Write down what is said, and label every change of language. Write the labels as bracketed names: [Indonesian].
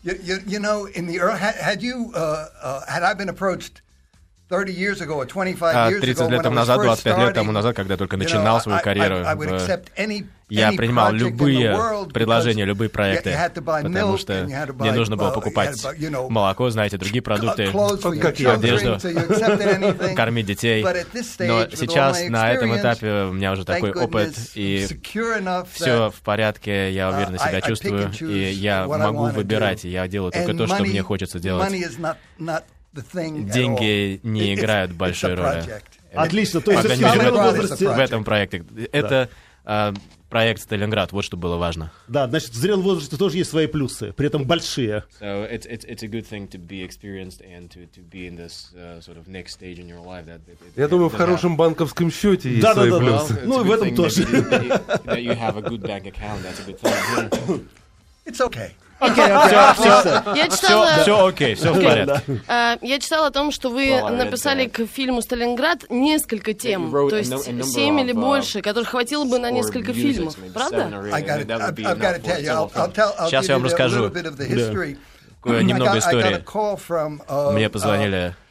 [English] You know, in the early, had I been approached 30 years ago or 25 years ago, [Russian] 30 лет тому назад, 25 лет тому назад, когда только начинал свою карьеру, я принимал любые предложения, любые проекты, потому что мне нужно было покупать молоко, знаете, другие продукты, одежду, кормить детей. Но сейчас, на этом этапе, у меня уже такой опыт, и все в порядке, я уверенно себя чувствую, и я могу выбирать, я делаю только то, что мне хочется делать. Деньги не играют большой роли. Отлично, то есть в этом проекте. Это проект «Сталинград», вот что было важно. Да, значит, в зрелом возрасте тоже есть свои плюсы, при этом большие. [English] So it's a good thing to be experienced and to be in this sort of next stage in your life. [Russian] Я думаю, в хорошем банковском счете есть свои плюсы. [English] Well, [Russian] ну и в этом тоже. [English] That you have a good bank account, that's a good thing. It's okay. [Russian] Я читала о том, что вы написали к фильму «Сталинград» несколько тем, то есть 7 или больше, которых хватило бы на несколько фильмов, правда? Сейчас я вам расскажу немного истории. Мне позвонили...